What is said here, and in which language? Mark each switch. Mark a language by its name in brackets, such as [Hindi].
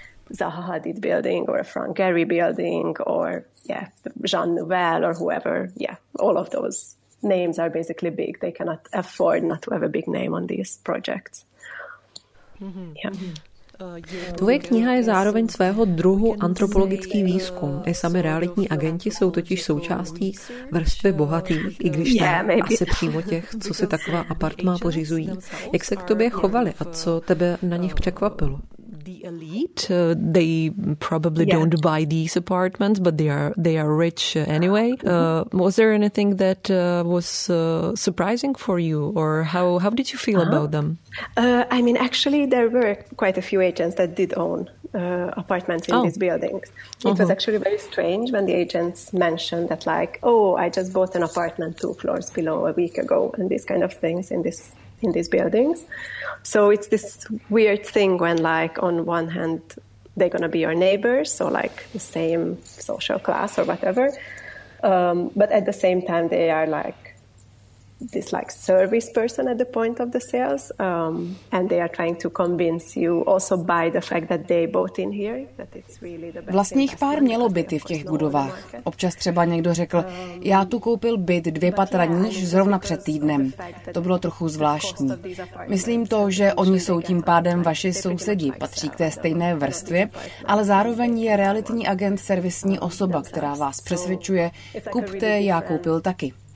[English] Zaha Hadid building or a Frank Gehry building or Jean Nouvel or whoever, all of those names are basically big. They cannot afford not to have a big name on these projects. [Czech] Tvoje kniha je zároveň svého druhu antropologický výzkum. I sami realitní agenti jsou totiž součástí vrstvy bohatých, i když asi přímo těch, co si taková apartma pořizují. Jak se k tobě chovali a co tebe na nich překvapilo? [English] The elite, they probably don't buy these apartments, but they are rich anyway. Was there anything that was surprising for you, or how did you feel about them? I mean, actually, there were quite a few agents that did own apartments in these buildings. It was actually very strange when the agents mentioned that, like, oh, I just bought an apartment two floors below a week ago, and these kind of things in these buildings. So it's this weird thing when, like, on one hand, they're going to be your neighbors, so like the same social class or whatever. But at the same time, they are like this like service person at the point of the sales. And they are trying to convince you also by the fact that they bought in here, that it's really the best. [Czech] Vlastně jich pár mělo byty v těch budovách. Občas třeba někdo řekl, já tu koupil byt dvě patra níž zrovna před týdnem. To bylo trochu zvláštní. Myslím to, že oni jsou tím pádem vaši sousedi, patří k té stejné vrstvě, ale zároveň je realitní agent servisní osoba, která vás přesvědčuje, kupte, já koupil taky.